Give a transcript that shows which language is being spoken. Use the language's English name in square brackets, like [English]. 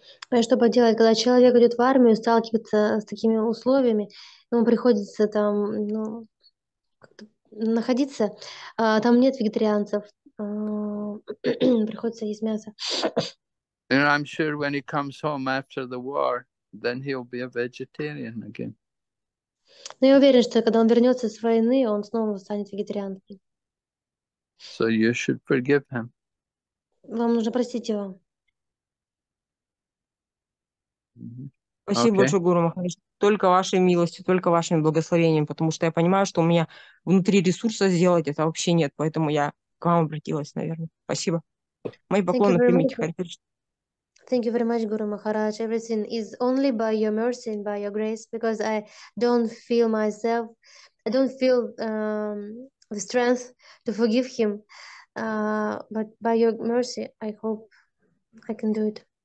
[Russian] А что поделать, когда человек идет в армию, сталкивается с такими условиями, ему приходится там, ну, находиться, там нет вегетарианцев, приходится есть мясо. [English] And I'm sure when he comes home after the war, then he'll be a vegetarian again. [Russian] Но я уверен, что когда он вернется с войны, он снова станет вегетарианцем. [English] So you should forgive him. [Russian] Вам нужно простить его. Спасибо большое, Гуру Махарадж. Только вашей милостью, только вашим благословением, потому что я понимаю, что у меня внутри ресурса сделать это вообще нет, поэтому я к вам обратилась, наверное. Спасибо. Мои поклоны примите, Хари Кришна. [English] Thank you very much, Guru Maharaj. Everything is only by your mercy and by your grace, because I don't feel myself, I don't feel the strength to forgive him. But by your mercy, I hope I can do it.